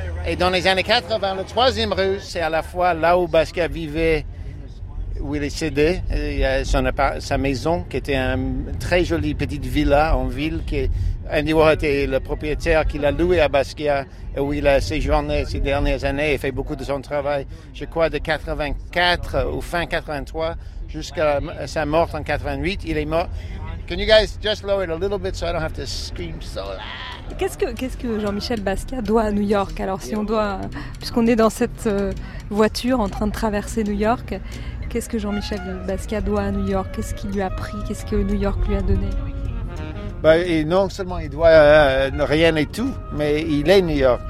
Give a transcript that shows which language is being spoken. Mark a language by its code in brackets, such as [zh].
[fr] Et dans les années 80, la 3e rue, c'est à la fois là où Basquiat vivait, où il est cédé, sa maison, qui était une très jolie petite villa en ville, qui Andy Warhol était le propriétaire, qu'il a loué à Basquiat, et où il a séjourné ces dernières années et fait beaucoup de son travail, je crois, de 84 ou fin 83 jusqu'à sa mort en 88. Il est mort. [en] Can you guys just lower it a little bit so I don't have to scream so loud? [fr] Qu'est-ce que Jean-Michel Basquiat doit à New York? Alors, si on doit, puisqu'on est dans cette voiture en train de traverser New York, qu'est-ce que Jean-Michel Basquiat doit à New York? Qu'est-ce qu'il lui a pris? Qu'est-ce que New York lui a donné? Et non seulement il doit rien et tout, mais il est New York.